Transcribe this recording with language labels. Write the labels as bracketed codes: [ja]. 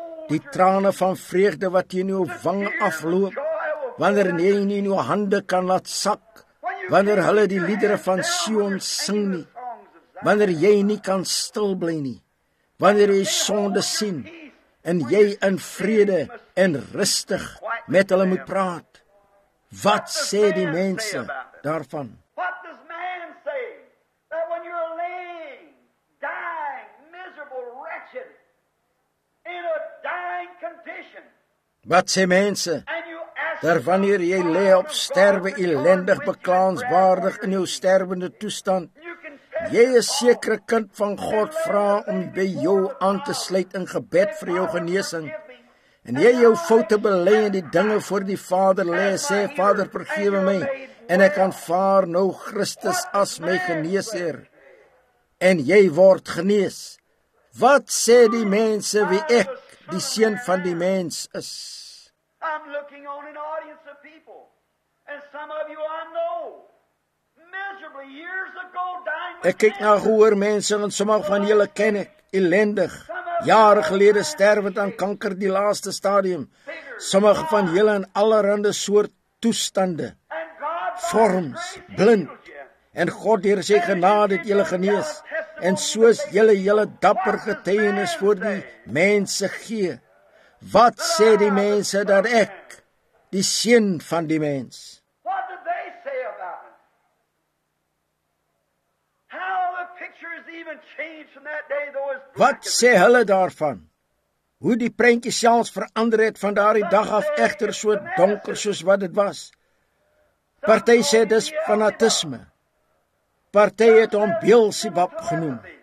[af] Die trane van vreugde wat jy in jou wang afloop, wanneer jy nie in jou hande kan laat sak, wanneer hulle die liedere van Sion sing nie, wanneer jy nie kan stil bly nie, wanneer jy sonde sien, en jy in vrede en rustig met hulle moet praat, wat sê die mense daarvan? [en] What does man say that when you're laying, dying, miserable, wretched, in a dying condition? [af] Wat sê mense, dat wanneer jy lê op sterwe, ellendig, beklaanswaardig in jou sterwende toestand, jy 'n sekere kind van God vra om by jou aan te sluit in gebed vir jou genesing, en jy jou foute belê en die dinge voor die Vader lê, sê, Vader, vergewe my, en ek aanvaar nou Christus as my geneesheer, en jy word genees. Wat sê die mense wie ek, die seun van die mens, is? [en] I'm looking on an audience of people, and some of you I know, miserably, years ago, dying. [af] Ek kyk na gehoor mense, en sommige van julle ken ek, ellendig, jare gelede sterwend aan kanker, die laaste stadium, sommige van julle in allerhande soort toestande, vorms, blind, en God deur sy genade het julle genees, en soos julle julle dapper getuienis voor die mense gee, wat sê die mense dat ek, die seun van die mens? [en] What do they say about me? How the picture has even changed from that day though is. [af] Wat sê hulle daarvan? Hoe die prentjie selfs verander het van daardie dag af, egter so donker soos wat dit was. Party sê dis fanatisme. Party het hom Beelzebub genoem.